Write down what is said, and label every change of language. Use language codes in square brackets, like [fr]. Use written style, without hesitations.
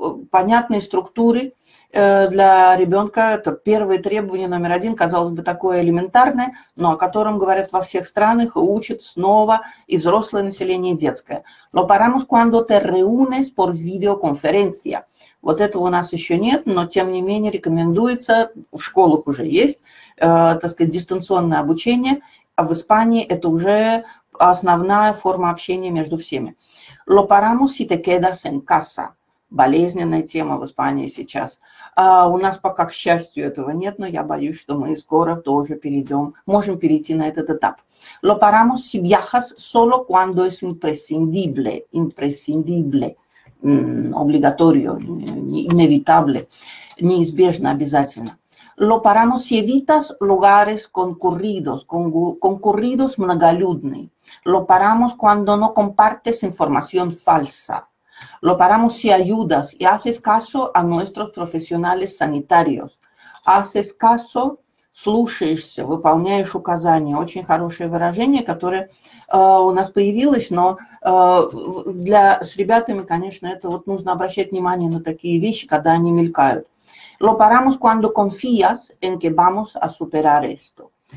[ru] Понятные структуры для ребенка. Это первое требование номер один, казалось бы, такое элементарное, но о котором говорят во всех странах и учат снова и взрослое население, и детское. [es] Lo paramos cuando te reúnes por videoconferencia. [ru] Вот этого у нас еще нет, но тем не менее рекомендуется, в школах уже есть, так сказать, дистанционное обучение, а в Испании это уже основная форма общения между всеми. [es] Lo paramos si te quedas en casa. [ru] Болезненная тема в Испании сейчас. У нас пока, к счастью, этого нет, но я боюсь, что мы скоро тоже можем перейти на этот этап. [es] Lo paramos si viajas solo cuando es imprescindible. Imprescindible. Obligatorio. Inevitable. [ru] Неизбежно, обязательно. [es] lo paramos y evitas lugares concurridos, concurridos [ru] многолюдный. [es] Lo paramos cuando no compartes información falsa. Lo paramos si ayudas y haces caso a nuestros profesionales sanitarios. Haces caso, [ru] слушаешься, выполняешь указания. Очень хорошее выражение, которое у нас появилось, но для с ребятами, конечно, это вот нужно обращать внимание на такие вещи, когда они мелькают. [es] Lo paramos cuando confías en que vamos a superar esto.